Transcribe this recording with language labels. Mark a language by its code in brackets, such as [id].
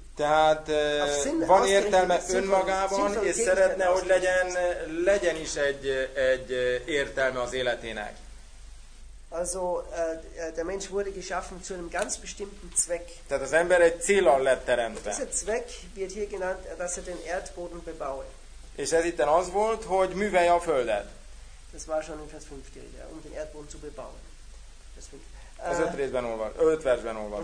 [hu] Tehát van értelme önmagában, és szeretne, hogy legyen is egy értelme az életének. [de] Also der Mensch wurde geschaffen zu einem ganz bestimmten Zweck. [hu] Tehát az ember egy céllal lett teremtve. [de] Dieser Zweck wird hier genannt, dass er den Erdboden bebaue. [hu] És ez itten az volt, hogy művelje a földet. [de] Das war schon in Vers 5, ja, um den Erdboden zu bebauen. [hu] Az öt részben olvasom, öt versben olvasom.